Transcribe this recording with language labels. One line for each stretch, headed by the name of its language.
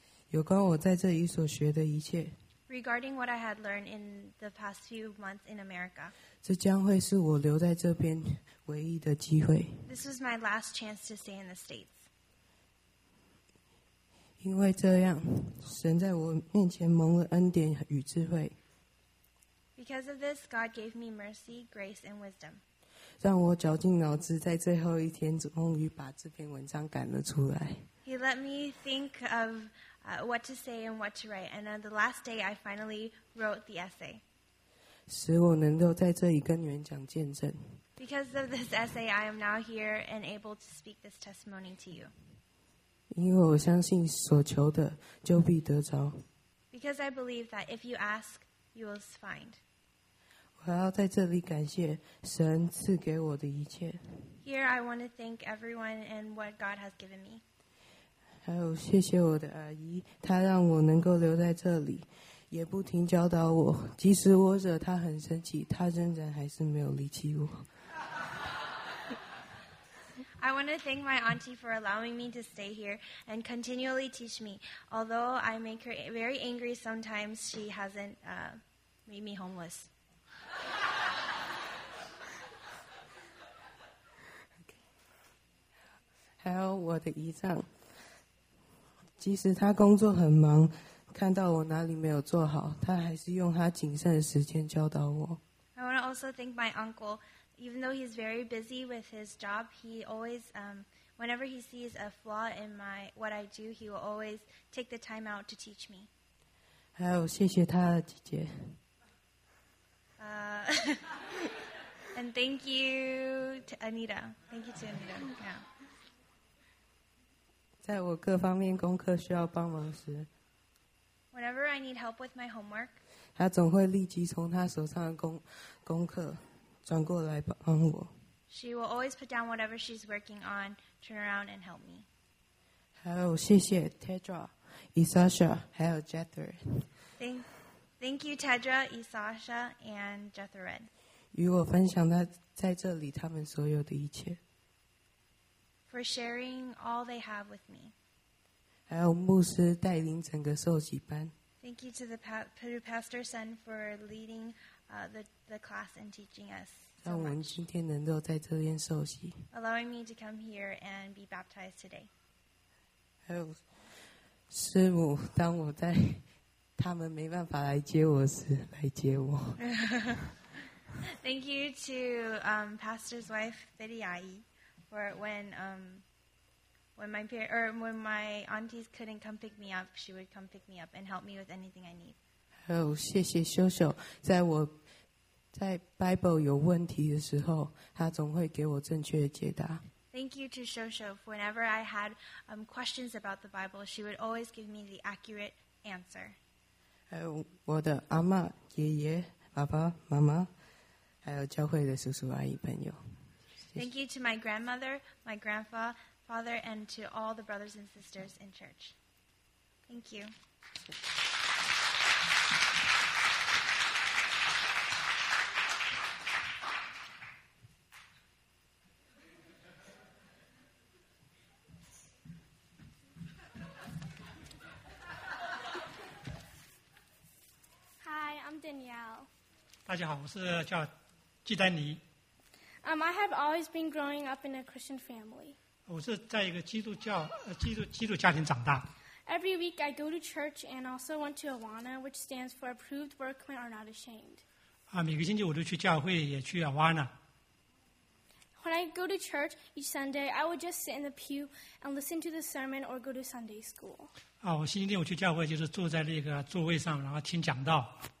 Chinese: 有关我在这里所学的一切。
English: Regarding what I had learned in the past few months in America.
Chinese: 这将会是我留在这边唯一的机会。
English: This was my last chance to stay in the States.
Chinese: 因为这样，神在我面前蒙了恩典与智慧。
English: Because of this, God gave me mercy, grace, and wisdom.
Chinese: 让我绞尽脑汁，在最后一天终于把这篇文章赶了出来。
English: He let me think of what to say and what to write, and on the last day, I finally wrote the essay.
Chinese: 使我能够在这里跟你们讲见证。
English: Because of this essay, I am now here and able to speak this testimony to you.
Chinese: 因为我相信所求的就必得着。
English: Because I believe that if you ask, you will find.
Chinese: 我要在这里感谢神赐给我的一切。
English: Here I want to thank everyone and what God has given me.
Chinese: 还有谢谢我的阿姨，她让我能够留在这里，也不停教导我。即使我惹她很生气，她仍然还是没有离弃我。
English: I want to thank my auntie for allowing me to stay here and continually teach me. Although I make her very angry sometimes, she hasn't made me homeless. Okay.
Chinese: 还有我的姨丈，即使他工作很忙，看到我哪里没有做好，他还是用他仅剩的时间教导我。
English: I want to also thank my uncle. Even though he's very busy with his job, he always, whenever he sees a flaw in my what I do, he will always take the time out to teach me.
Chinese: 还有谢谢他的姐姐。
English: and thank you to Anita. Thank you to Anita. Yeah.
Chinese: 在我各方面功课需要帮忙时
English: ，Whenever I need help with my homework,
Chinese: 他总会立即从他手上的功课。转过来帮我。
English: She will always put down whatever she's working on, turn around and help me.
Chinese: 还有谢谢 Tedra, Isasha, 还有 Jethro.
English: Thank you, Tedra, Isasha, and Jethro.
Chinese: 与我分享在这里他们所有的一切。
English: For sharing all they have with me.
Chinese: 还有牧师带领整个受洗班。
English: Thank you to the pastor son for leading. The class and teaching us.
Chinese: 让我们今天能够在这边受洗。
English: Allowing me to come here and be baptized today.
Chinese: 还有师母，当我在他们没办法来接我时，来接我。
English: Thank you to Pastor's wife, Fidi 阿姨, for when my parents or when my aunties couldn't come pick me up, she would come pick me up and help me with anything I need.
Chinese: Oh, 谢谢秀秀，在我在 Bible 有问题的时候，她总会给我正确的解答。
English: Thank you to Shosho. Whenever I had questions about the Bible, she would always give me the accurate answer.
Chinese: 我的阿嬷、爷爷、爸爸、妈妈，还有教会的叔叔阿姨朋友。
English: Thank you to my grandmother, my grandpa, father, and to all the brothers and sisters in church. Thank you. Danielle.
Chinese: 大家好，我是叫纪丹尼。
English: I have always been growing up in a Christian family.
Chinese: 我是在一个基督教基督家庭长大。
English: Every week I go to church and also went to Awana, which stands for Approved Workmen Are Not Ashamed.
Chinese: 每个星期我都去教会，也去 Awana。
English: When I go to church each Sunday, I would just sit in the pew and listen to the sermon or go to Sunday school.
Chinese: 我星期天我去教会就是坐在那个座位上，然后听讲道。